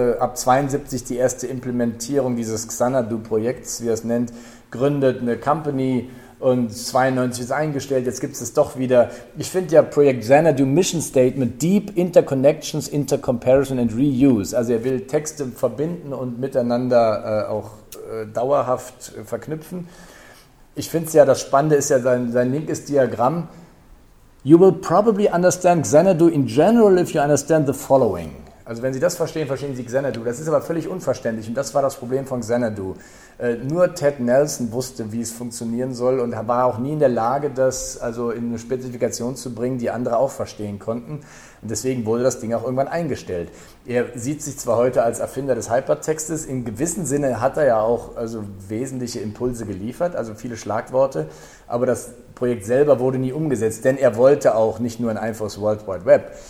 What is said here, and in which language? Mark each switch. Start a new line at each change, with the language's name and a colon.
German: Ab 72 die erste Implementierung dieses Xanadu-Projekts, wie er es nennt, gründet eine Company, und 92 ist eingestellt. Jetzt gibt es doch wieder. Ich finde ja Projekt Xanadu Mission Statement,
English: Deep Interconnections, Intercomparison and Reuse.
German: Also er will Texte verbinden und miteinander auch dauerhaft verknüpfen. Ich finde es ja, das Spannende ist ja sein linkes Diagramm.
English: You will probably understand Xanadu in general if you understand the following.
German: Also wenn Sie das verstehen, verstehen Sie Xanadu. Das ist aber völlig unverständlich, und das war das Problem von Xanadu. Nur Ted Nelson wusste, wie es funktionieren soll, und war auch nie in der Lage, das also in eine Spezifikation zu bringen, die andere auch verstehen konnten. Und deswegen wurde das Ding auch irgendwann eingestellt. Er sieht sich zwar heute als Erfinder des Hypertextes, in gewissem Sinne hat er ja auch also wesentliche Impulse geliefert, also viele Schlagworte, aber das Projekt selber wurde nie umgesetzt, denn er wollte auch nicht nur ein einfaches World Wide Web.